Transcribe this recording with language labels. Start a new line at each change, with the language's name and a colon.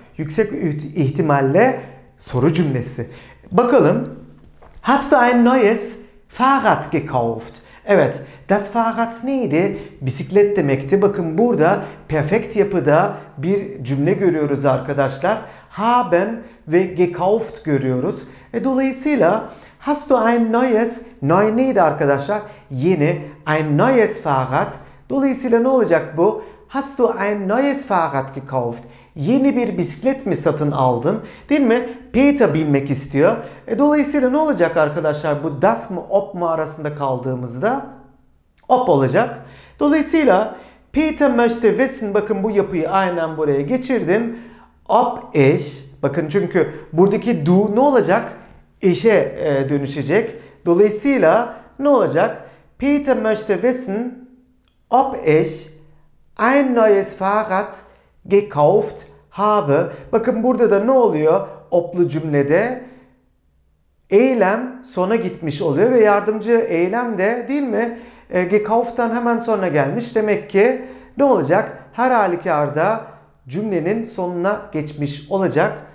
Turkish: Yüksek ihtimalle soru cümlesi. Bakalım.
German: Hast du ein neues Fahrrad gekauft?
Turkish: Evet, das Fahrrad neydi? Bisiklet demekti. Bakın burada perfekt yapıda bir cümle görüyoruz arkadaşlar. Haben ve gekauft görüyoruz. Dolayısıyla
German: hast du ein neues,
Turkish: neu neydi arkadaşlar? Yeni,
German: ein neues Fahrrad.
Turkish: Dolayısıyla ne olacak bu?
German: Hast du ein neues Fahrrad gekauft?
Turkish: Yeni bir bisiklet mi satın aldın? Değil mi? Peter binmek istiyor. Dolayısıyla ne olacak arkadaşlar? Bu das mı, ob mu arasında kaldığımızda? Ob olacak. Dolayısıyla
German: Peter möchte wissen,
Turkish: bakın bu yapıyı aynen buraya geçirdim.
German: Ob ich,
Turkish: bakın çünkü buradaki du ne olacak? İşe dönüşecek. Dolayısıyla ne olacak?
German: Peter möchte wissen, ob ich ein neues Fahrrad gekauft habe.
Turkish: Bakın burada da ne oluyor? Ob'lu cümlede eylem sona gitmiş oluyor ve yardımcı eylem de, değil mi, gekauft'tan hemen sonra gelmiş. Demek ki ne olacak? Her halükarda cümlenin sonuna geçmiş olacak.